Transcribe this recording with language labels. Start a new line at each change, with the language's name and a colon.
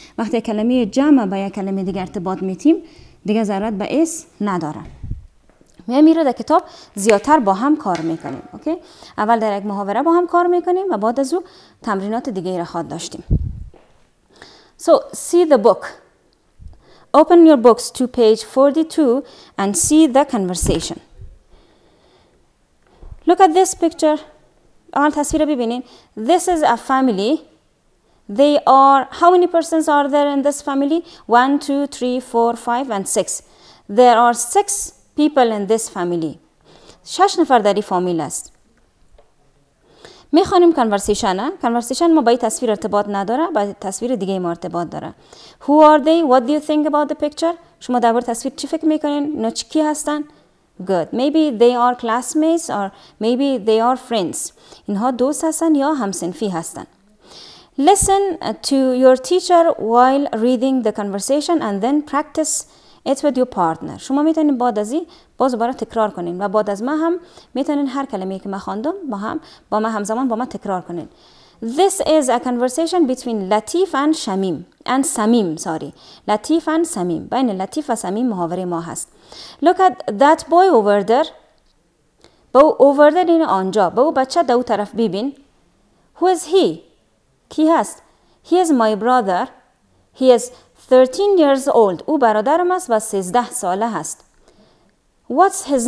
Persian: وقتی کلمه جمع با یک کلمه دیگه ارتباط میتیم دیگه ضرورت به اس نداره. میام اینو در کتاب زیادتر با هم کار میکنیم. اوکی؟ اول در یک محاوره با هم کار میکنیم و بعد از او تمرینات دیگه ای را خواهد داشتیم.
English: So see the book. Open your books to page 42 and see the conversation. Look at this picture.
Persian: آن تصویر ببینید.
English: This is a family. They are, how many persons are there in this family? 1, 2, 3, 4, 5 and 6. There are 6 people in this family.
Persian: 6 نفر در این فامیل است. میخوانیم کانورسیشن ها. کانورسیشن ما با این تصویر ارتباط نداره، با تصویر دیگه ما ارتباط داره.
English: Who are they? What do you think about the picture?
Persian: شما در بر تصویر چی فکر میکنین؟ اینا چکی هستن؟ Good.
English: Maybe they are classmates or maybe they are friends.
Persian: اینها دوست هستن یا همسنفی هستن.
English: Listen to your teacher while reading the conversation and then practice it with your partner.
Persian: شما میتونید بعد از این باز دوباره تکرار کنین و بعد از ما هم میتونین هر کلمه‌ای که ما خواندم با ما همزمان با ما تکرار کنین.
English: This is a conversation between Latif and Shamim. And Samim, sorry. Latif and Samim.
Persian: بین لطیف و سمیم محاوره ما هست.
English: Look at that boy over there.
Persian: این آنجا. با او بچه دو طرف ببین.
English: Who is he?
Persian: کی هست؟
English: He is my brother. He is 13 years old.
Persian: او برادرم است و 13 ساله است.
English: What's his name?